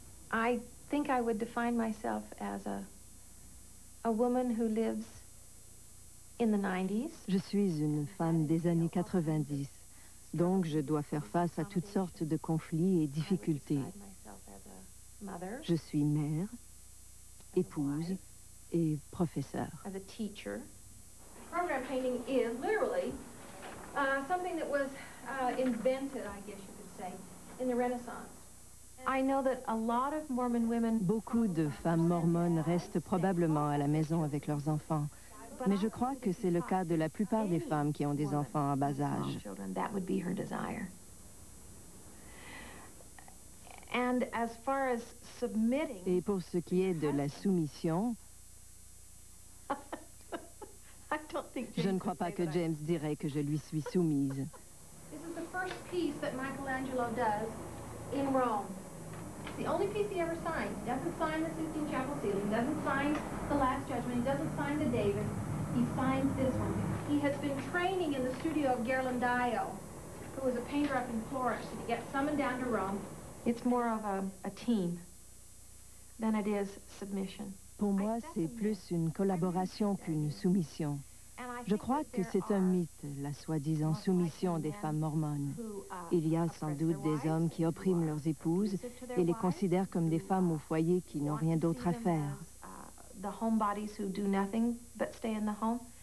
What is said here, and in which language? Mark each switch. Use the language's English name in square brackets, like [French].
[English] I think I would define myself as a woman who lives in the 90s. [French] Je suis une femme des années 90, donc je dois faire face à toutes sortes de conflits et difficultés. Je suis mère, épouse et professeure. [English] As a teacher. Program painting is literally something that was invented, I guess you could say, in the Renaissance. I know that a lot of Mormon women... [French] Beaucoup de femmes mormones restent probablement à la maison avec leurs enfants. Mais je crois que c'est le cas de la plupart des femmes qui ont des enfants en bas âge. [English] That would be her desire. And as far as submitting... [French] Et pour ce qui est de la soumission, [English] I don't think [French] je ne crois pas que James dirait que je lui suis soumise. [English] This is the first piece that Michelangelo does in Rome. It's the only piece he ever signs. He doesn't sign the Sistine Chapel ceiling, doesn't sign the Last Judgment, he doesn't sign the David. He signs this one. He has been training in the studio of Ghirlandaio, who was a painter up in Florence, to get summoned down to Rome. It's more of a team than it is submission. [French] Pour moi, c'est plus une collaboration qu'une soumission. Je crois que c'est un mythe, la soi-disant soumission des femmes mormones. Il y a sans doute des hommes qui oppriment leurs épouses et les considèrent comme des femmes au foyer qui n'ont rien d'autre à faire.